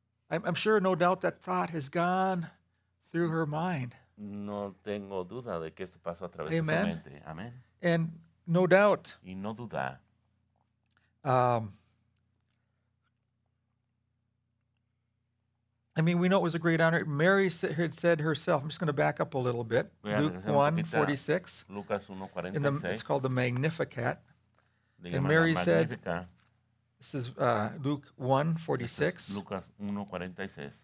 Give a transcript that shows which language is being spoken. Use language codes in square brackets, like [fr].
[en] I'm sure, no doubt, that thought has gone through her mind. [es] No tengo duda de que esto pasó a través [en] Amen. [es] De su mente. Amen. [en] And no doubt. [es] Y no duda. [en] I mean, we know it was a great honor. Mary had said herself, I'm just going to back up a little bit. Luke 1:46. It's called the Magnificat. And Mary said, this is Luke 1:46.